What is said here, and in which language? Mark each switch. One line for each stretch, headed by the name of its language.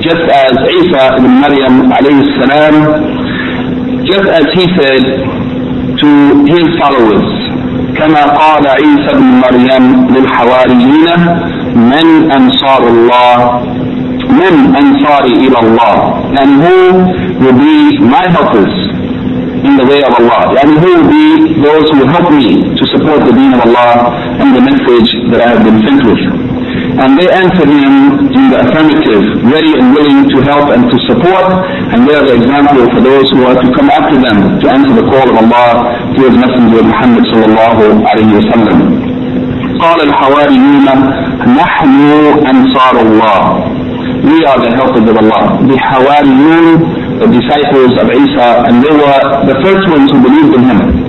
English: Just as Isa ibn Maryam alayhi salam, just as he said to his followers,
Arabic: كما قال عيسى بن مريم للحواريين من أنصار الله من أنصاري إلى الله
English: and who will be my helpers in the way of Allah and who will be those who help me to support the deen of Allah and the message that I have been sent with. And they answered him in the affirmative, ready and willing to help and to support, and they are the example for those who are to come after them to answer the call of Allah to His Messenger Muhammad sallallahu alayhi wa sallam.
Arabic: قال الحواريون نحن أنصار الله.
English: We are the helpers of Allah. The حواريون, the disciples of Isa, and they were the first ones who believed in him.